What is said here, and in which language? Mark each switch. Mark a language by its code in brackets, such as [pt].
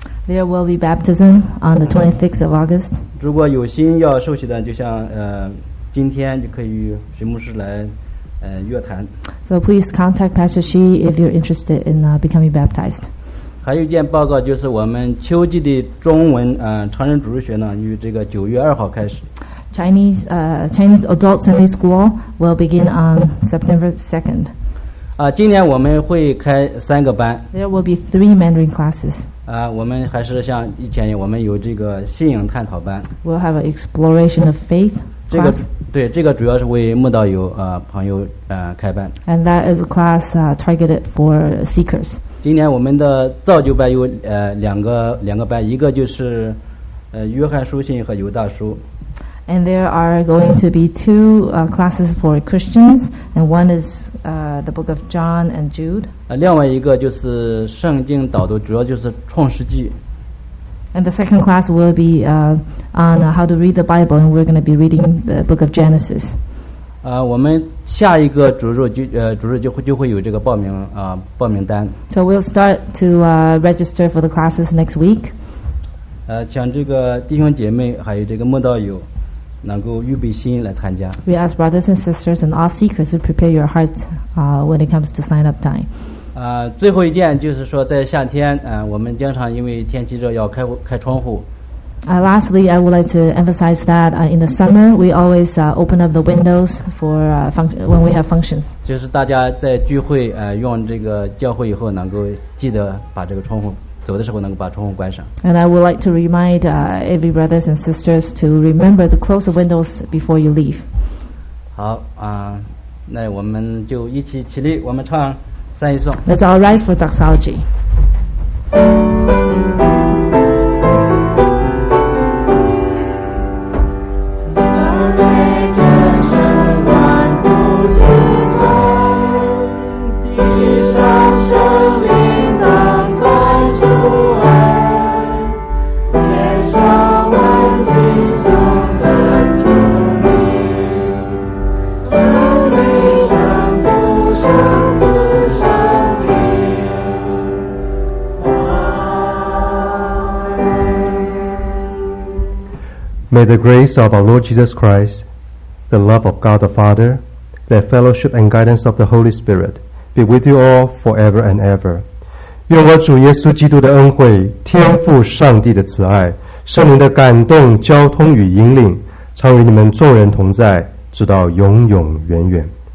[en] There will be baptism on the 26th of August. [zh] 如果有心要受洗的，就像今天就可以与徐牧师来。约谈。 [en] So please contact Pastor Xi if you're interested in becoming baptized. [zh] 还有一件报告就是我们秋季的中文成人主日学呢，于这个9月2号开始。 [en] Chinese Adult Sunday School will begin on September 2nd. [zh] 今年我们会开三个班。 [en] There will be 3 Mandarin classes. [zh] 我们还是像以前我们有这个信仰探讨班。 [en] We'll have an exploration of faith. [zh] 这个主要是为慕道友朋友开办。 [en] And that is a class targeted for seekers. [zh] 今年我们的造就班有两个班，一个就是约翰书信和犹大书。 [en] And there are going to be two classes for Christians, and one is the book of John and Jude. [zh] 另外一个就是圣经导读，主要就是创世纪。 [en] And the second class will be on how to read the Bible, and we're going to be reading the book of Genesis. [zh] 我们下一个主日就会有这个报名单。 [en] So we'll start to register for the classes next week. [zh] 请这个弟兄姐妹还有这个慕道友，能够预备心来参加。 [en] We ask brothers and sisters and all seekers to prepare your hearts when it comes to sign up time. [zh] 最后一件就是说，在夏天，我们经常因为天气热要开窗户。 [en] Lastly, I would like to emphasize that in the summer, we always open up the windows for when we have functions. [zh] 就是大家在聚会用这个教会以后，能够记得把这个窗户。走的时候能够把窗户关上。 [en] And I would like to remind every brothers and sisters to remember to close the windows before you leave. [zh] 好，那我们就一起起立，我们唱三一颂。 [en] Let's all rise for doxology. May the grace of our Lord Jesus Christ, the love of God the Father, the fellowship and guidance of the Holy Spirit be with you all forever and ever. [zh] 愿我主耶稣基督的恩惠，天父上帝的慈爱，圣灵的感动、交通与引领，常与你们众人同在，直到永永远远。